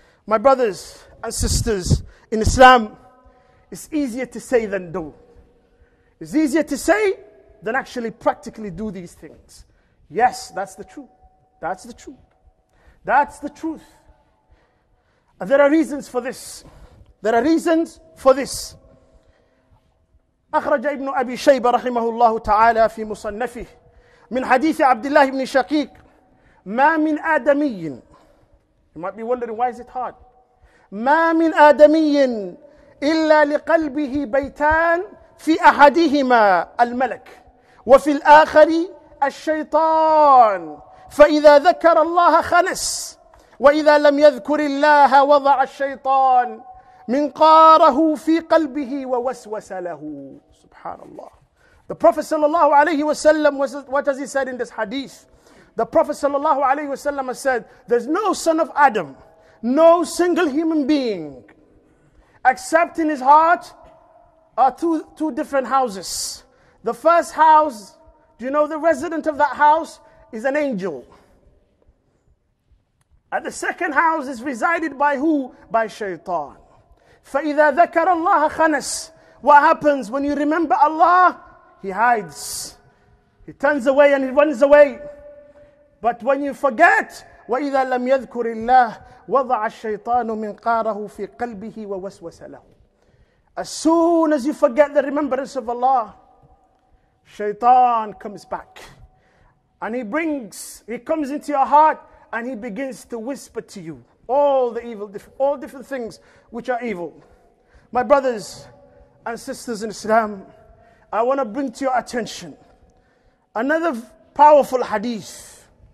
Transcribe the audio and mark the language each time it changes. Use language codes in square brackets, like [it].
[en] My brothers and sisters, in Islam, it's easier to say than do. It's easier to say than actually practically do these things. Yes, that's the truth. That's the truth. That's the truth. And there are reasons for this. There are reasons for this. [ar] أخرج ابن أبي شيبة رحمه الله تعالى في مصنفه من حديث عبد الله بن شقيق ما من آدمي. [en] You might be wondering, why is it hard? [ar] ما من آدمي إلا لقلبه بيتان في أحدهما الملك وفي الآخر الشيطان فإذا ذكر الله خنس وإذا لم يذكر الله وضع الشيطان من قاره في قلبه ووسوس له. Subhanallah. [en] The Prophet sallallahu alayhi wa sallam, what has he said in this hadith? The Prophet sallallahu alayhi wa sallam has said, there's no son of Adam, no single human being, except in his heart are two different houses. The first house, do you know the resident of that house is an angel. And the second house is resided by who? By shaitan. [ar] فَإِذَا ذَكَرَ اللَّهَ خَنَسْ. [en] What happens when you remember Allah? He hides. He turns away and he runs away. But when you forget, [ar] وَإِذَا لَمْ يَذْكُرِ اللَّهِ وَضَعَ الشَّيْطَانُ مِنْ قَارَهُ فِي قَلْبِهِ وَوَسْوَسَ لَهُ. [en] As soon as you forget the remembrance of Allah, shaitan comes back. And he comes into your heart and he begins to whisper to you all the evil, all different things which are evil. My brothers and sisters in Islam, I want to bring to your attention another powerful hadith.